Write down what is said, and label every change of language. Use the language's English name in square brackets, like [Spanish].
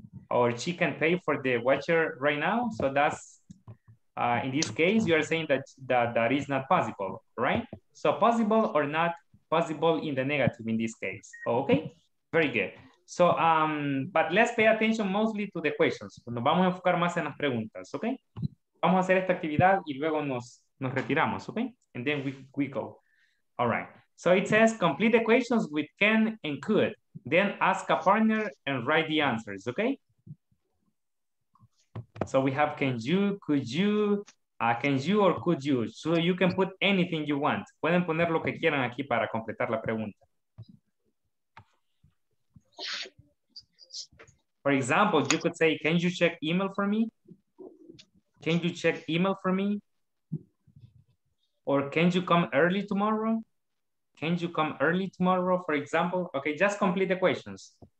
[English] Or she can pay for the watcher right now. So that's, in this case, you are saying that is not possible, right? So possible or not possible in the negative in this case. Okay, very good. So, but let's pay attention mostly to the questions. [Spanish] Nos vamos a enfocar más en las preguntas, okay? Vamos a hacer esta actividad y luego nos retiramos, okay? [English] And then we go. All right. So it says complete the questions with can and could. Then ask a partner and write the answers, okay? So we have can you, could you, can you or could you. So you can put anything you want. [Spanish] Pueden poner lo que quieran aquí para completar la pregunta. [English] For example, you could say, can you check email for me? Can you check email for me? Or can you come early tomorrow? Can you come early tomorrow, for example? Okay, just complete the questions.